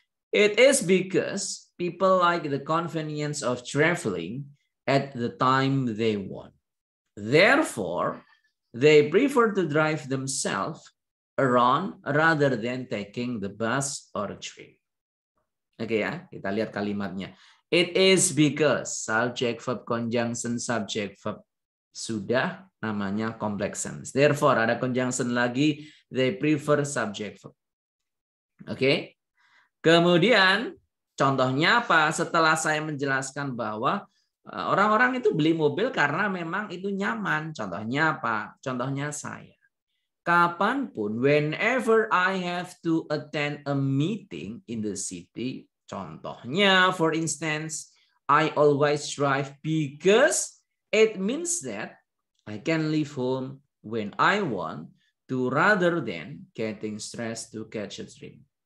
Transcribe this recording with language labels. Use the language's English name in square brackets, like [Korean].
[English] It is because people like the convenience of traveling at the time they want. Therefore, they prefer to drive themselves around rather than taking the bus or train. [Indonesian] Oke ya, kita lihat kalimatnya. [English] It is because subject verb conjunction subject verb [Indonesian] sudah namanya [English] complex sentence. Therefore ada conjunction lagi, they prefer subject verb. Oke. [Indonesian] Kemudian contohnya apa? Setelah saya menjelaskan bahwa orang-orang itu beli mobil karena memang itu nyaman. Contohnya apa? Contohnya saya. [English] Kapanpun, whenever I have to attend a meeting in the city, contohnya, for instance, I always drive because it means that I can leave home when I want to rather than getting stressed to catch a train.